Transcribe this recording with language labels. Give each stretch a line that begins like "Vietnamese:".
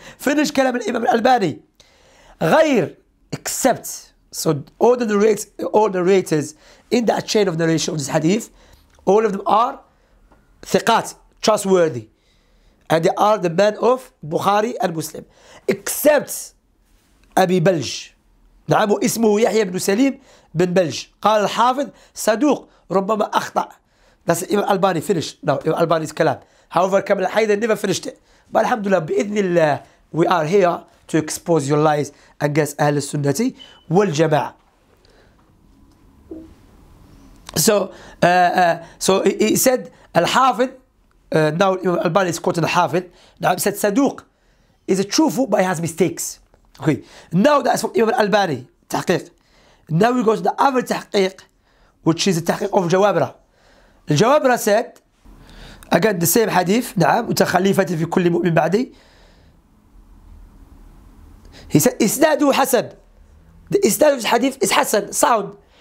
English: Finish kalam al-Imam al-Albani. Ghayr, except. So all the narrators in that chain of narration of this hadith, all of them are thiqat, trustworthy. And they are the men of Bukhari and Muslim. Except Abi Balj.
Arabic: نعم اسمه يحيى بن سليم بن بلج قال الحافظ صدوق ربما أخطأ بس الإمام الألباني
English: finished now
Arabic: الإمام الألباني's كلام
English: however
Arabic: كمل الحيدة
English: never finished it but
Arabic: الحمد لله بإذن الله
English: we are here to expose your lies against
Arabic: أهل السنة والجماعة
English: so he said
Arabic: الحافظ now الإمام الألباني
English: is quoting
Arabic: الحافظ نعم
English: said
Arabic: صدوق
English: is truthful but he has mistakes. Okay, now that's from Ibn al-Albani, tahqiq. Now we go to the other tahqiq, which is the tahqiq of Jawabra. Jawabra said, again the same hadith,
Arabic: نعم, وتخليفتي في كل مؤمن بعدي.
English: He said,
Arabic: إسناده حسن.
English: The إسناد of this hadith is حسن, sound.